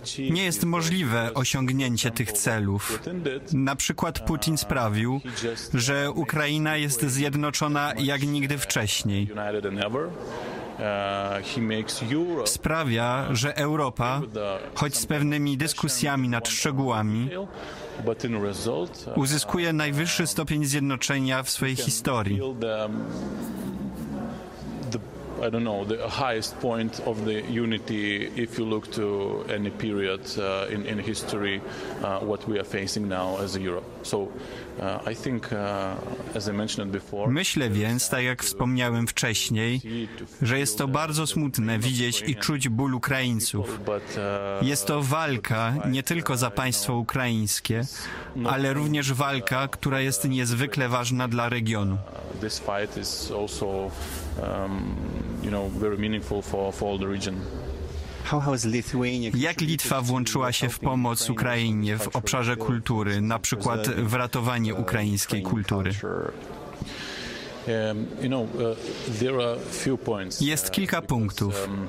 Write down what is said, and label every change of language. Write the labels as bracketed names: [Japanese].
[Polish] Nie jest możliwe osiągnięcie tych celów. Na przykład Putin sprawił, że Ukraina jest zjednoczona jak nigdy wcześniej. sprawia, że Europa, choć z pewnymi dyskusjami nad szczegółami, uzyskuje najwyższy stopień zjednoczenia w swojej historii. [English] I don't know, the highest point of the unity, if you look to any period in history, what we are facing now as a Europe. So I think, as I mentioned before... [Polish] Myślę więc, tak jak wspomniałem wcześniej, że jest to bardzo smutne widzieć i czuć ból Ukraińców. Jest to walka nie tylko za państwo ukraińskie, ale również walka, która jest niezwykle ważna dla regionu. [English] This fight is also, you know, very meaningful for all the region. [Polish] Jak Litwa włączyła się w pomoc Ukrainie w obszarze kultury, na przykład w ratowanie ukraińskiej kultury? Jest kilka punktów.